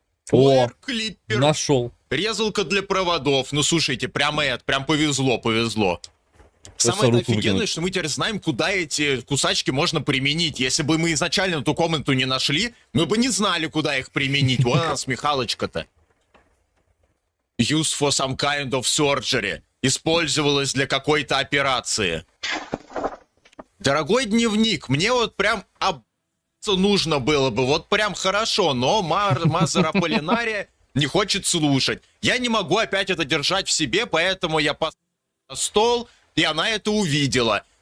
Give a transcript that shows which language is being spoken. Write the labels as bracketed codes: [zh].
[ru] О, Клиппер. Нашел. Резалка для проводов. Ну, слушайте, прямо это, прям повезло, повезло. Самое офигенное, что мы теперь знаем, куда эти кусачки можно применить. Если бы мы изначально ту комнату не нашли, мы бы не знали, куда их применить. Вот у нас Михалочка-то. [en] Use for some kind of surgery. [ru] Использовалась для какой-то операции. Дорогой дневник, мне вот прям нужно было бы, вот прям хорошо, но Мазер Аполлинария не хочет слушать. Я не могу опять это держать в себе, поэтому я поставил на стол, и она это увидела.